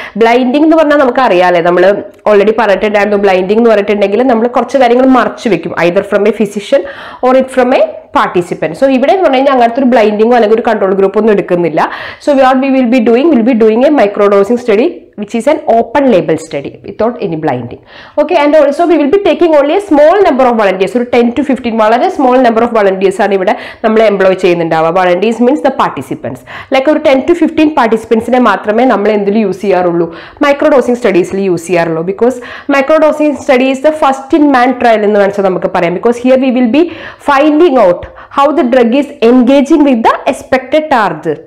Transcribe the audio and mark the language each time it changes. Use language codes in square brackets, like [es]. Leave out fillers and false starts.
[ml] Blinding എന്ന് പറഞ്ഞാൽ നമുക്കറിയാമല്ലേ, നമ്മൾ ഓൾറെഡി പറഞ്ഞിട്ടുണ്ടായിരുന്നു ബ്ലൈൻഡിങ് എന്ന് പറഞ്ഞിട്ടുണ്ടെങ്കിൽ നമ്മൾ കുറച്ച് കാര്യങ്ങൾ മറച്ചുവെക്കും, [en] Either from a physician or it from a participant. [ml] So ഇവിടെ എന്ന് പറഞ്ഞു കഴിഞ്ഞാൽ അങ്ങനത്തെ ഒരു ബ്ലൈൻഡിങ്ങോ അല്ലെങ്കിൽ ഒരു കൺട്രോൾ ഗ്രൂപ്പ് ഒന്നും എടുക്കുന്നില്ല. [en] So what we will be doing a micro dosing study which is an open label study without any blinding. Okay, and also we will be taking only a small number of volunteers, so 10 to 15 [ml] വളരെ small number of volunteers ആണ് ഇവിടെ നമ്മൾ employ ചെയ്യുന്നുണ്ടാവുക. Volunteers means the participants, like ഒരു 10 to 15 പാർട്ടിസിപ്പൻസിനെ മാത്രമേ നമ്മൾ എന്തിലും use ചെയ്യാറുള്ളൂ, micro dosing സ്റ്റഡീസിൽ use ചെയ്യാറുള്ളൂ. [en] because micro dosing studies the first in man trial [ml] എന്ന് വെച്ചാൽ നമുക്ക് പറയാം. [en] Because here we will be finding out how the drug is engaging with the expected target.